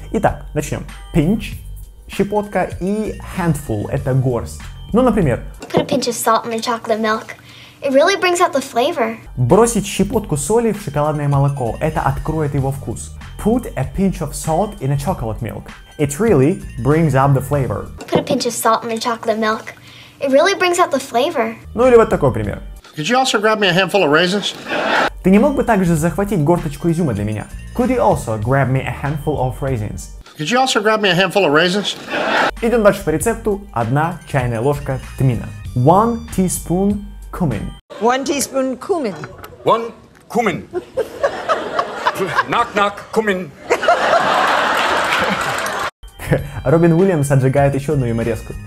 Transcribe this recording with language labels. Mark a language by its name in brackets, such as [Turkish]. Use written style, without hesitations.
[Russian] Итак, начнем. Pinch, щепотка, и handful, это горсть. Ну, например. [English] Put a pinch of salt in my chocolate milk. It really brings out the flavor. [Russian] Бросить щепотку соли в шоколадное молоко, это откроет его вкус. [English] Put a pinch of salt in a chocolate milk. It really brings out the flavor. Put a pinch of salt in the chocolate milk. It really brings out the flavor. [Russian] Ну или вот такой пример. [English] Could you also grab me a handful of raisins? [Russian] Ты не мог бы также захватить горсточку изюма для меня? [English] Could you also grab me a handful of raisins? Could you also grab me a handful of raisins? [Russian] Идем дальше по рецепту. Одна чайная ложка тмина. [English] One teaspoon cumin. One teaspoon cumin. One cumin. Knock, knock, cumin. [Russian] Робин Уильямс отжигает еще одну юморезку.